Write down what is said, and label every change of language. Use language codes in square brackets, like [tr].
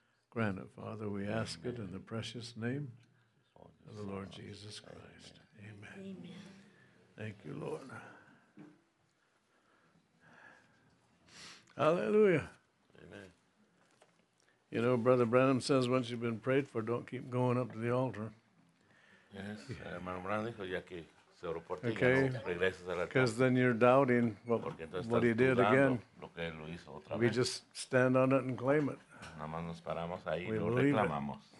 [en] Grant it, Father, we ask it in the precious name of the Lord Jesus Christ. Amen. Amen. Thank you, Lord. Hallelujah. Amen. You know, Brother Branham says, once you've been prayed for, don't keep going up to the altar. Yes. [es] Hermano Branham dijo, ya que se oró por ti, ya no regreses a la altar. [en] Because then you're doubting what he did again. [es] Lo que lo hizo otra vez. [en] We just stand on it and claim it. [es] Nada más nos paramos ahí y lo reclamamos.